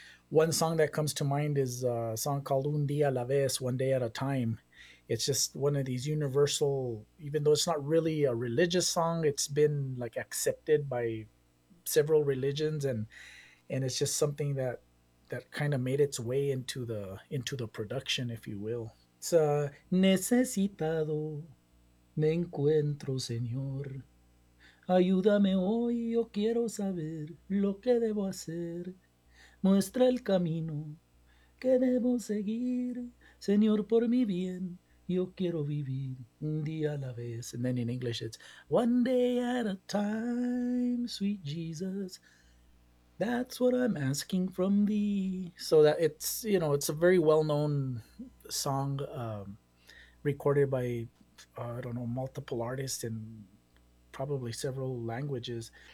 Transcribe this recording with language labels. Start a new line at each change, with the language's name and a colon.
English: One song that comes to mind is a song called Un Día a la Vez, One Day at a Time. It's just one of these universal, even though it's not really a religious song, it's been like accepted by several religions, and it's just something that kind of made its way into the production, if you will.
Spanish: It's necesitado me encuentro, señor. Ayúdame hoy, yo quiero saber lo que debo hacer. Muestra el camino que debo seguir. Señor, por mi bien, yo quiero vivir un día a la vez.
English: And then in English, it's one day at a time, sweet Jesus. That's what I'm asking from thee. So that it's, you know, it's a very well-known song recorded by, I don't know, multiple artists in probably several languages.